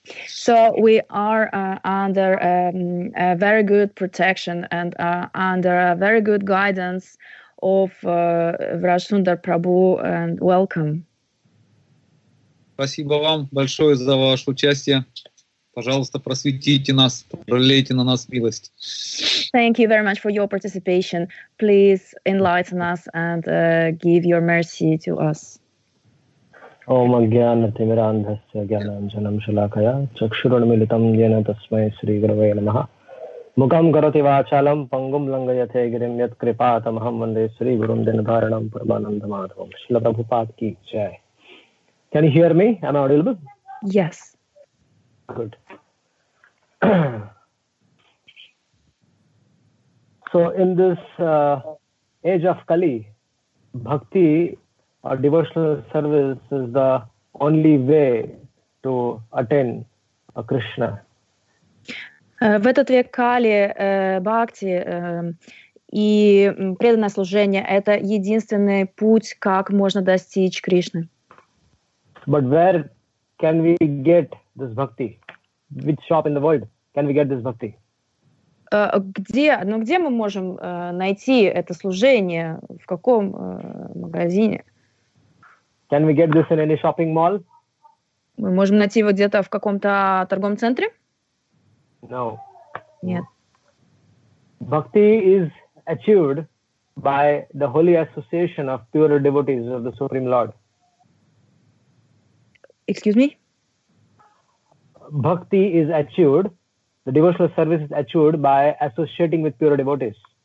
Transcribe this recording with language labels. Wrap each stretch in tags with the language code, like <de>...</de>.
<en>So we are under a very good protection and under a very good guidance of Vrajasundar Prabhu and welcome.</en> <ru>Спасибо вам большое за ваше участие. Пожалуйста, просветите нас, пролейте на нас милость.</ru> <en>Thank you very much for your participation. Please enlighten us and give your mercy to us.</en> <sa>Om Agyana Timirandhasya Gyananjanam Shalakaya Chakshurun Militam Yena Tasmai Sri Gravaya Namaha Mukam Karati Vachalam Pangum Langayate Girim Yat Kripatam Hamande Sri Gurum Dinadharanam Parmananda Madhavam Shila Prabhupada Ki Jai.</sa> <en>Can you hear me? Am I audible? Yes. Good. So in this age of Kali, bhakti or devotional service is the only way to attain a Krishna.</en> <ru>В этот век Кали, бхакти и преданное служение — это единственный путь, как можно достичь Кришны.</ru> <en>But where can we get this bhakti? Which shop in the world can we get this bhakti?</en> <ru>Где мы можем найти это служение? В каком магазине?</ru> <en>Can we get this in any shopping mall?</en> <ru>Мы можем найти его где-то в каком-то торговом центре?</ru> <en>No.</en> <ru>Нет.</ru> <en>Bhakti is achieved by the holy association of pure devotees of the Supreme Lord. Excuse me? Bhakti is achieved, the devotional service is achieved by associating with pure devotees.</en>